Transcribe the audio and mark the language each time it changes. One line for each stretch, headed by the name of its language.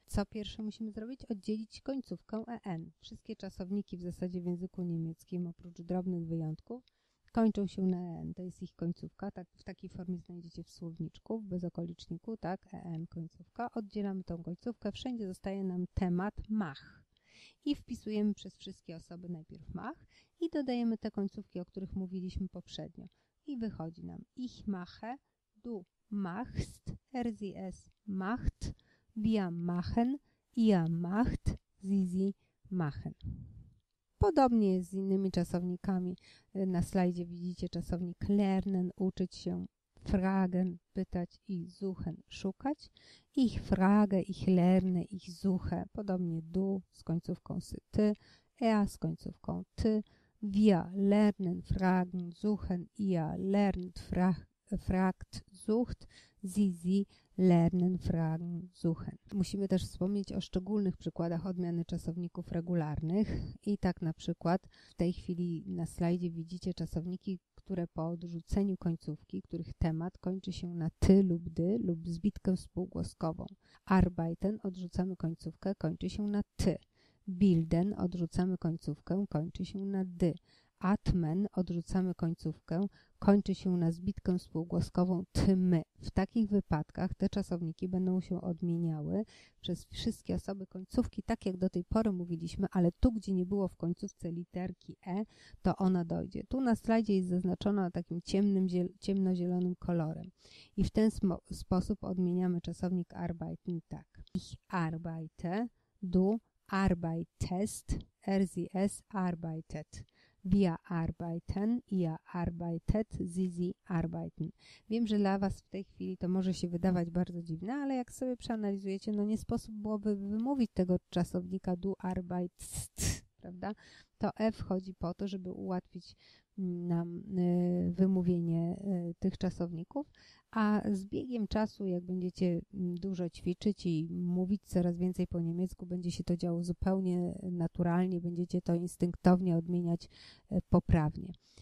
Polish: Co pierwsze musimy zrobić? Oddzielić końcówkę en. Wszystkie czasowniki w zasadzie w języku niemieckim, oprócz drobnych wyjątków, kończą się na en. To jest ich końcówka. Tak, w takiej formie znajdziecie w słowniczku, w bezokoliczniku, tak? En, końcówka. Oddzielamy tą końcówkę. Wszędzie zostaje nam temat mach. I wpisujemy przez wszystkie osoby najpierw mach i dodajemy te końcówki, o których mówiliśmy poprzednio. I wychodzi nam
German: ich mache, du machst, er sie es macht, wir machen, ihr macht, sie sie machen.
Polish: Podobnie jest z innymi czasownikami. Na slajdzie widzicie czasownik lernen, uczyć się, fragen, pytać i suchen, szukać.
German: Ich frage, ich lerne, ich suche.
Polish: Podobnie du z końcówką sy, ty, er z końcówką ty.
German: Wir lernen, fragen, suchen, ihr lernt, fragt, sucht, sie, sie lernen, fragen, suchen.
Polish: Musimy też wspomnieć o szczególnych przykładach odmiany czasowników regularnych. I tak na przykład w tej chwili na slajdzie widzicie czasowniki, które po odrzuceniu końcówki, których temat kończy się na ty lub dy lub zbitkę spółgłoskową. Arbeiten, odrzucamy końcówkę, kończy się na ty. Bilden, odrzucamy końcówkę, kończy się na dy. Atmen, odrzucamy końcówkę, kończy się na zbitkę spółgłoskową ty, my. W takich wypadkach te czasowniki będą się odmieniały przez wszystkie osoby końcówki, tak jak do tej pory mówiliśmy, ale tu, gdzie nie było w końcówce literki e, to ona dojdzie. Tu na slajdzie jest zaznaczona takim ciemnozielonym kolorem. I w ten sposób odmieniamy czasownik arbeiten tak.
German: Ich arbeite, du arbeitest, er sie es arbeitet. Wir arbeiten, ihr arbeitet, sie, sie arbeiten.
Polish: Wiem, że dla Was w tej chwili to może się wydawać bardzo dziwne, ale jak sobie przeanalizujecie, no nie sposób byłoby wymówić tego czasownika
German: du arbeitest,
Polish: prawda? To F chodzi po to, żeby ułatwić nam wymówienie tych czasowników, a z biegiem czasu, jak będziecie dużo ćwiczyć i mówić coraz więcej po niemiecku, będzie się to działo zupełnie naturalnie, będziecie to instynktownie odmieniać poprawnie.